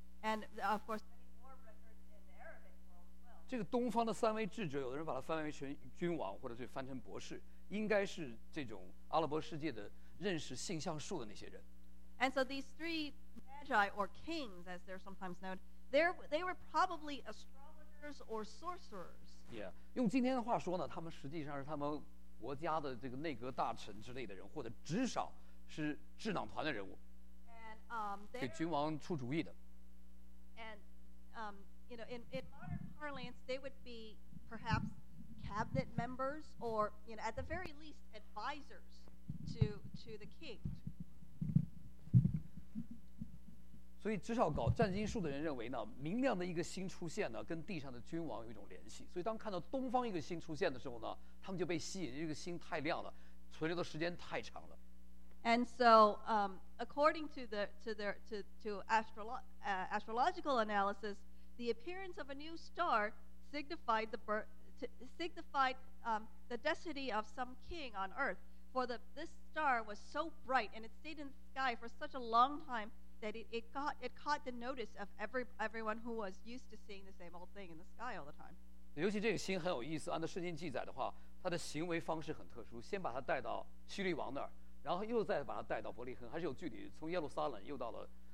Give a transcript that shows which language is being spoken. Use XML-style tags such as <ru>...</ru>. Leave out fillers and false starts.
<en>And of course, many more records in the Arabic world as well.</en> <zh>这个东方的三位智者，有的人把它翻译成君王，或者是翻成博士，应该是这种阿拉伯世界的认识星象术的那些人。</zh> <en>And so these three magi or kings, as they're sometimes known, they were probably astrologers or sorcerers.</en> <zh>Yeah, 用今天的话说呢，他们实际上是他们。国家的这个内阁大臣之类的人，或者至少是智囊团的人物，给君王出主意的。</zh> <en>And you know, in modern parlance, they would be perhaps cabinet members, or you know, at the very least, advisors to the king.</en> <zh>所以，至少搞占星术的人认为呢，明亮的一个星出现呢，跟地上的君王有一种联系。所以，当看到东方一个星出现的时候呢。他们就被吸引，这个星太亮了，存留的时间太长了。</zh> <en>And so, according to the astrological analysis, the appearance of a new star signified the destiny of some king on Earth. For this star was so bright and it stayed in the sky for such a long time that it caught the notice of everyone who was used to seeing the same old thing in the sky all the time.</en> <zh>尤其这个星很有意思，按照圣经记载的话。他的行为方式很特殊，先把他带到希律王那儿，然后又再把他带到伯利恒，还是有距离，从耶路撒冷又到了</zh>